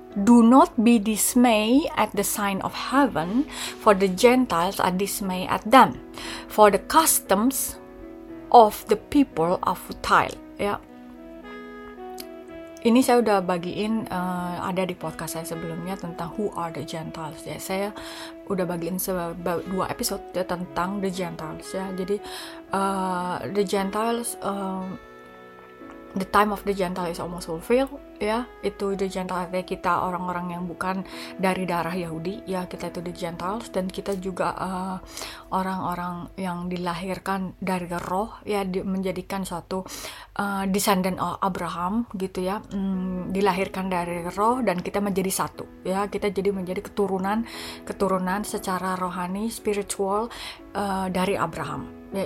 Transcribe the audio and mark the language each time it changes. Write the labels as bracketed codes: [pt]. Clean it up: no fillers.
[en] Do not be dismayed at the sign of heaven, for the Gentiles are dismayed at them. For the customs of the people are futile. [id] Ya. Ini saya udah bagiin ada di podcast saya sebelumnya tentang [en] who are the Gentiles. [id] Ya. Saya udah bagiin dua episode ya, tentang the Gentiles. Ya. Jadi the Gentiles. [en] The time of the Gentile is almost fulfilled, ya. [id] Itu the Gentile artinya kita orang-orang yang bukan dari darah Yahudi, ya. Kita itu the Gentiles, dan kita juga orang-orang yang dilahirkan dari roh, ya, menjadikan suatu [en] descendant of Abraham, [id] gitu ya. Dilahirkan dari roh dan kita menjadi satu, ya. Kita jadi menjadi keturunan secara rohani, spiritual dari Abraham, ya.